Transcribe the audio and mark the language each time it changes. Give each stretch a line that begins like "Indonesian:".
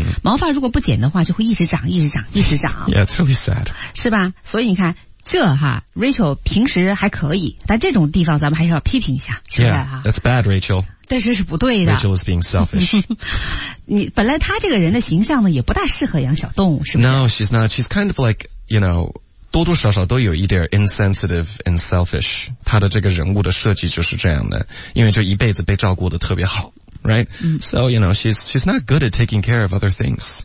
Chinese: 毛发如果不剪的话就会一直长一直长一直长。
English: Yeah, it's really sad.
Chinese: 是吧，所以你看这哈 Rachel 平时还可以，但这种地方咱们还是要批评一下，是不是、
English: that's bad, Rachel.
Chinese: 但是不对的。
English: Rachel is being selfish.
Chinese: 你本来他这个人的形象呢也不大适合养小动物，是不是？
English: No, she's not. She's kind of like, you know,
Chinese: 多多少少都有一点
English: insensitive and selfish.
Chinese: 他的这个人物的设计就是这样的，因为就一辈子被照顾得特别好。
English: Right? So, you know, she's not good at taking care of other things.